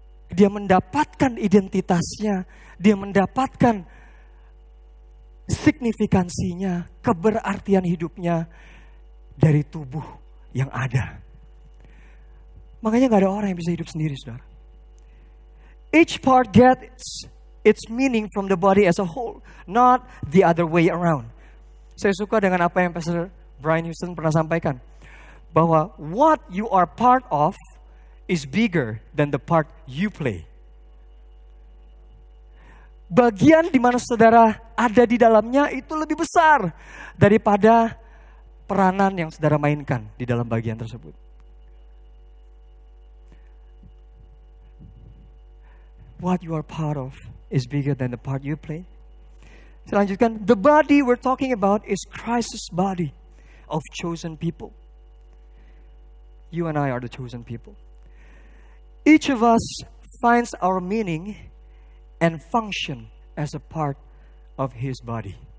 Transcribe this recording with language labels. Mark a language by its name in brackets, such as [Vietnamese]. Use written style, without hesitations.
[Indonesian] Dia mendapatkan identitasnya, dia mendapatkan signifikansinya, keberartian hidupnya dari tubuh yang ada. Makanya gak ada orang yang bisa hidup sendiri, saudara. [English] Each part gets its meaning from the body as a whole, not the other way around. [Indonesian] Saya suka dengan apa yang Pastor Brian Houston pernah sampaikan. Bahwa [English] what you are part of is bigger than the part you play. [Indonesian] Bagian di mana saudara ada di dalamnya itu lebih besar daripada peranan yang saudara mainkan di dalam bagian tersebut. [English] What you are part of is bigger than the part you play. [Indonesian] Selanjutkan, [English] the body we're talking about is Christ's body of chosen people. You and I are the chosen people. Each of us finds our meaning and function as a part of his body.